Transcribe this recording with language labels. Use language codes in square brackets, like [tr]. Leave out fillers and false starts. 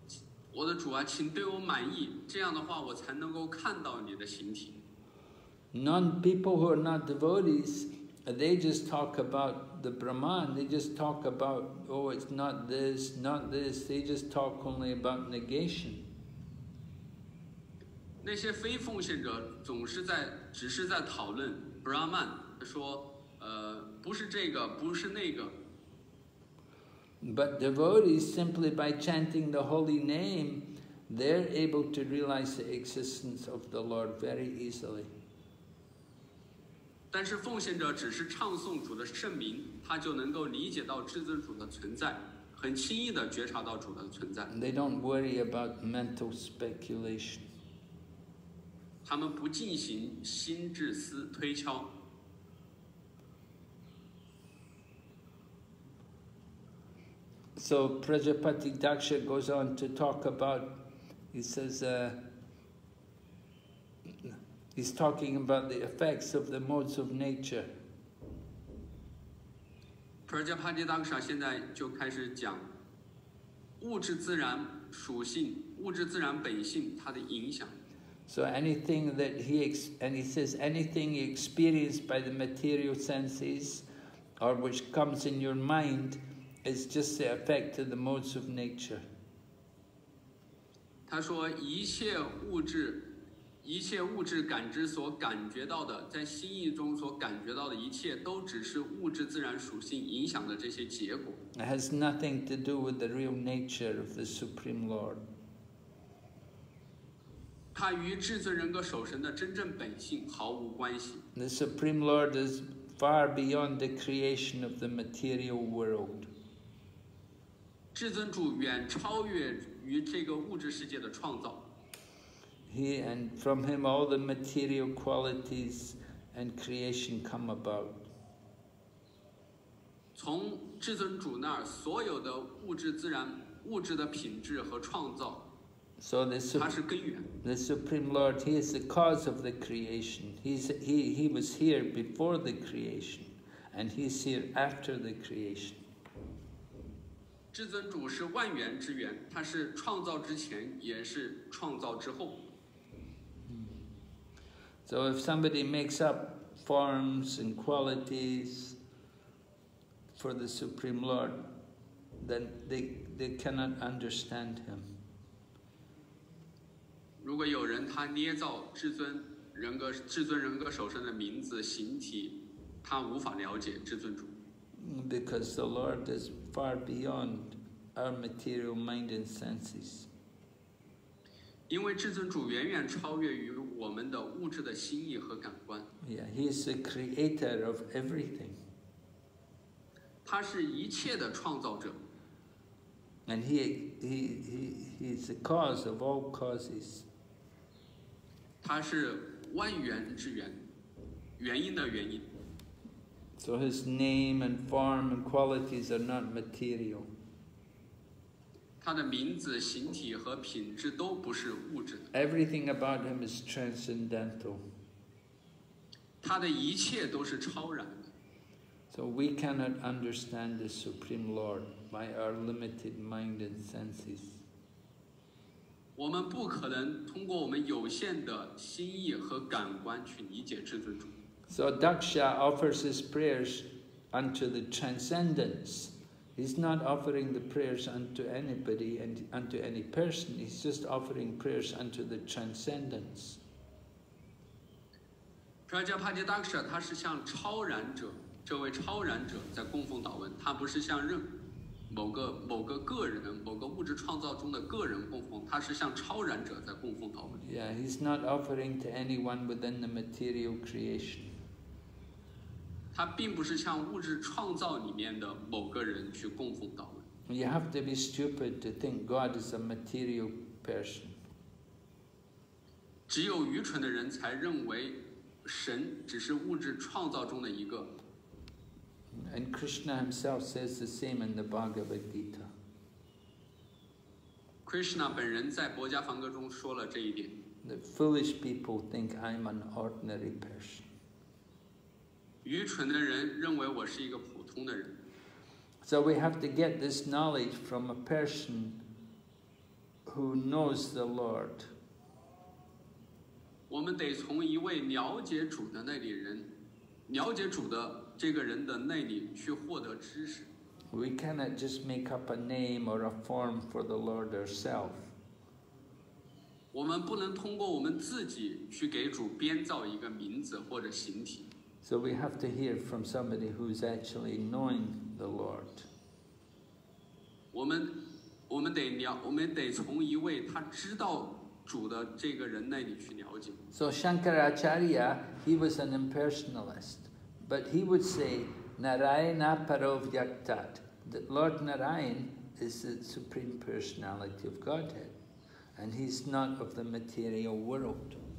[zh] 奉献者会向主祈祷道：“我的主啊，请对我满意。这样的话，我才能够看到你的形体。” [en] Non people who are not devotees. They just talk about the Brahman. They just talk about, oh, it's not this, not this. They just talk only about negation. [zh] 那些非奉献者总是在只是在讨论 Brahman， 说，不是这个，不是那个。 [en] But devotees, simply by chanting the holy name, they're able to realize the existence of the Lord very easily. [zh] 但是奉献者只是唱诵主的圣名，他就能够理解到至尊主的存在，很轻易地觉察到主的存在。 [en] They don't worry about mental speculation. [zh] 他们不进行心智思推敲。 [en] So Prajapati Daksha goes on to talk about, he says, he's talking about the effects of the modes of nature. [zh] Prajapati Daksha 现在就开始讲物质自然属性、物质自然本性它的影响。 [en] So anything that he says anything experienced by the material senses or which comes in your mind,It's just the effect of the modes of nature. [zh] 他说一切物质感知所感觉到的，在心意中所感觉到的一切，都只是物质自然属性影响的这些结果。 [en] It has nothing to do with the real nature of the Supreme Lord. [zh] 它与至尊人格守神的真正本性毫无关系。 [en] The Supreme Lord is far beyond the creation of the material world. [zh] 至尊主远超越于这个物质世界的创造。 [en] He and from him all the material qualities and creation come about. [zh] 从至尊主那儿，所有的物质自然、物质的品质和创造，它是根源。 [en] The Supreme Lord, He is the cause of the creation. He was here before the creation, and He is here after the creation. [zh] 至尊主是万源之源，他是创造之前，也是创造之后。 [en] So if somebody makes up forms and qualities for the Supreme Lord, then they cannot understand him. [zh] 如果有人他捏造至尊人格守神的名字形体，他无法了解至尊主。 [en] Because the Lord is far beyond our material mind and senses. [zh] 因为至尊主远远超越于我们的物质的心意和感官。 [en] Yeah, He is the creator of everything. [zh] 他是一切的创造者。 [en] And he is the cause of all causes. [zh] 他是万源之源，原因的原因。 [en] So his name and form and qualities are not material. [zh] 他的名字、形体和品质都不是物质的。 [en] Everything about him is transcendental. [zh] 他的一切都是超然的。 [en] So we cannot understand the Supreme Lord by our limited mind and senses. [zh] 我们不可能通过我们有限的心意和感官去理解至尊主。 [en] So Daksha offers his prayers unto the transcendence. He's not offering the prayers unto anybody and unto any person. He's just offering prayers unto the transcendence. [zh] Prajapati Daksha, 他是向超然者，这位超然者在供奉祷文，他不是向任某个个人、某个物质创造中的个人供奉，他是向超然者在供奉祷文。 [en] Yeah, he's not offering to anyone within the material creation. [zh] 他并不是向物质创造里面的某个人去供奉祷文。 [en] You have to be stupid to think God is a material person. [zh] 只有愚蠢的人才认为神只是物质创造中的一个。 [en] And Krishna himself says the same in the Bhagavad Gita. [zh] Krishna 本人在《薄伽梵歌》中说了这一点。 [en] The foolish people think I'm an ordinary person. [zh] 愚蠢的人认为我是一个普通的人。 [en] So we have to get this knowledge from a person who knows the Lord. [zh] 我们得从一位了解主的那里人了解主的这个人的内里去获得知识。 [en] We cannot just make up a name or a form for the Lord herself. [zh] 我们不能通过我们自己去给主编造一个名字或者形体。 [en] So we have to hear from somebody who's actually knowing the Lord. [zh] 我们得从一位他知道主的这个人那里去了解。 [en] So Shankaracharya, he was an impersonalist, but he would say, [sa] Narayana Parovyaktat, [en] that Lord Narayana is the Supreme Personality of Godhead, and he's not of the material world.